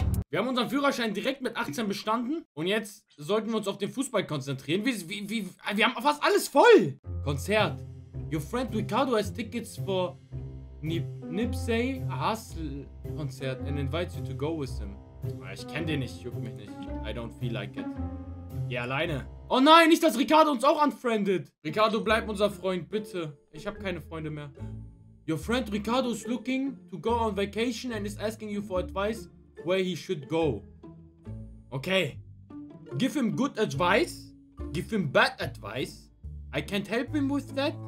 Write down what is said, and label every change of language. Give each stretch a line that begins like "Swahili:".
German: Wir haben unseren Führerschein direkt mit 18 bestanden und jetzt sollten wir uns auf den Fußball konzentrieren. Wir haben fast alles voll. Konzert.
English: Your friend Ricardo has tickets for Nipsey Hussle Konzert and invites you to go with him.
German: Ich kenne den nicht, juckt mich nicht.
English: I don't feel like it.
German: Geh alleine. Oh nein, nicht, dass Ricardo uns auch unfriendet. Ricardo, bleib unser Freund, bitte. Ich habe keine Freunde mehr.
English: Your friend Ricardo is looking to go on vacation and is asking you for advice. Where he should go. Okay. Give him good advice. Give him bad advice. I can't help him with that.